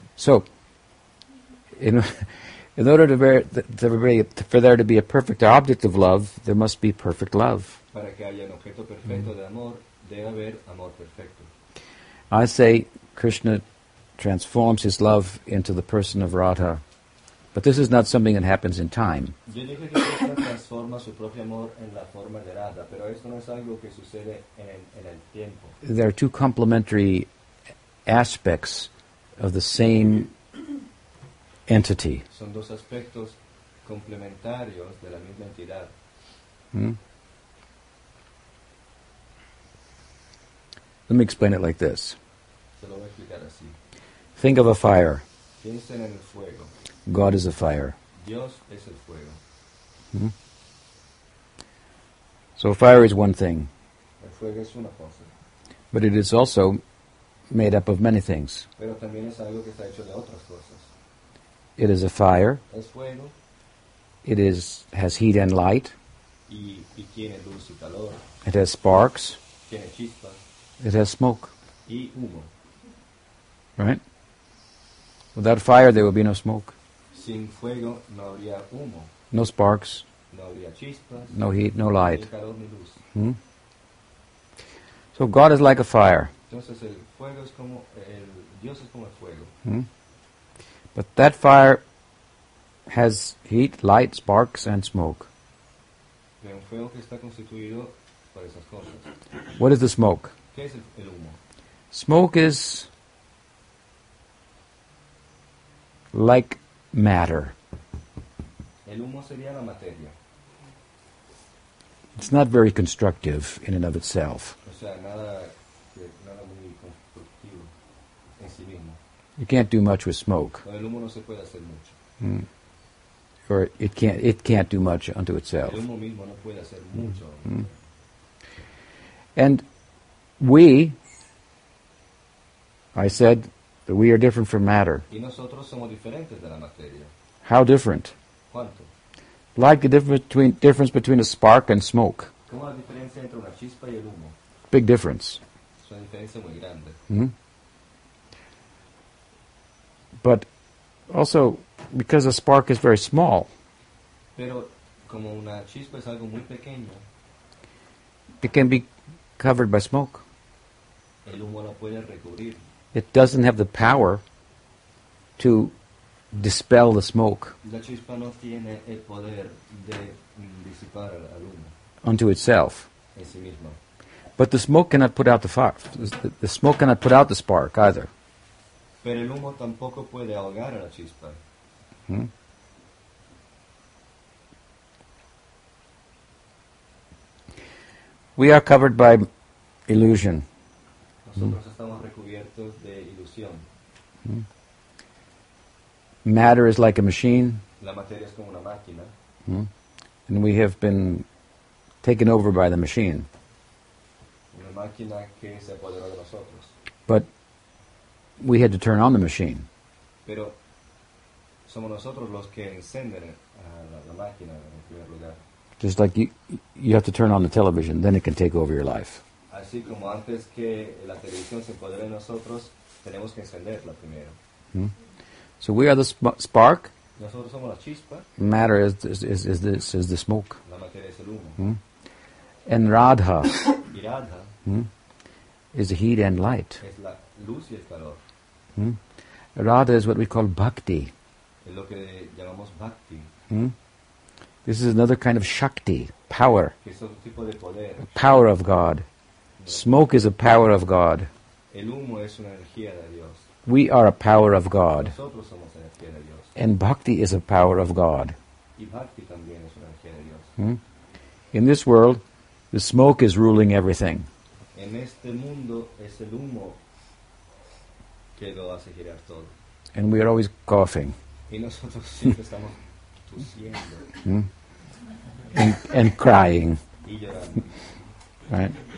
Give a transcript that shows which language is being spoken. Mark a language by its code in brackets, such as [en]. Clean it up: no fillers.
[en] So, in order to bear, for there to be a perfect object of love, there must be perfect love. [es] Para que haya un objeto perfecto de amor, debe haber amor perfecto. [en] I say Krishna transforms his love into the person of Radha, but this is not something that happens in time. [es] Yo dije que Krishna transforma su propio amor en la forma de Radha, pero esto no es algo que sucede en el tiempo. [en] There are two complementary aspects of the same entity. [es] Son dos aspectos complementarios de la misma entidad. [en] Let me explain it like this. [es] Se lo voy a explicar así. [en] Think of a fire. [es] Piensen en el fuego. [en] God is a fire. [es] Dios es el fuego. [en] So fire is one thing. [es] El fuego es una cosa. [en] But it is also made up of many things. [es] Pero también es algo que está hecho de otras cosas. [en] It is a fire. [es] Es fuego. [en] It has heat and light. [es] Y tiene luz y calor. [en] It has sparks. [es] Tiene chispa. [en] It has smoke. [es] Y humo. [en] Right? Without fire there would be no smoke. [es] Sin fuego no habría humo. [en] No sparks. [es] No habría chispas. [en] No heat, no light. [es] Ni calor, ni luz. [en] So God is like a fire. [es] Entonces el fuego es como el Dios es como el fuego. [en] But that fire has heat, light, sparks, and smoke. [es] De un fuego que está constituido por esas cosas. [en] What is the smoke? [es] ¿Qué es el humo? [en] Smoke is like matter. [es] El humo sería la materia. [en] It's not very constructive in and of itself. [es] O sea, nada muy constructivo en sí mismo. [en] You can't do much with smoke. [es] El humo no se puede hacer mucho. [en] Or it can't do much unto itself. [es] El humo mismo no puede hacer mucho. [en] And I said that we are different from matter. [es] Y nosotros somos diferentes de la materia. [en] How different? [es] ¿Cuánto? [en] Like the difference between a spark and smoke. [es] ¿Cómo la diferencia entre una chispa y el humo? [en] Big difference. [es] Es una diferencia muy grande. [en] But also, because a spark is very small. [es] Pero como una chispa es algo muy pequeño, [en] it can be covered by smoke. [es] El humo la puede recubrir. [en] It doesn't have the power to dispel the smoke. [es] La chispa no tiene el poder de disipar al humo. [en] Unto itself. [es] En sí misma. [en] But the smoke cannot put out the fire. The smoke cannot put out the spark either. [es] Pero el humo tampoco puede ahogar a la chispa. [en] We are covered by illusion. [es] Nosotros estamos recubiertos de ilusión. [en] Matter is like a machine. [es] La materia es como una máquina. [en] And we have been taken over by the machine. [es] Una máquina que se apoderó de nosotros. [en] But we had to turn on the machine. [es] Pero somos nosotros los que encienden la máquina en primer lugar. [en] Just like you have to turn on the television, then it can take over your life. [es] Así como antes que la televisión se apodere de nosotros, tenemos que encenderla primero. [en] So we are the spark. [es] Nosotros somos la chispa. [en] Matter is the smoke. [es] La materia es el humo. [en] And Radha. [es] Y Radha. [en] Is the heat and light. [es] Es la luz y el calor. [en] Radha is what we call bhakti. [es] Es lo que llamamos bhakti. [en] This is another kind of shakti, power. [es] Es otro tipo de poder. [en] Power of God. Smoke is a power of God. [es] El humo es una energía de Dios. [en] We are a power of God. [es] Nosotros somos energía de Dios. [en] And bhakti is a power of God. [es] Y bhakti también es una energía de Dios. [en] In this world, the smoke is ruling everything. [es] En este mundo es el humo que lo hace girar todo. [en] And we are always coughing. [es] Y nosotros siempre estamos tosiendo. [en] And crying. [es] Y llorando. [en] Right?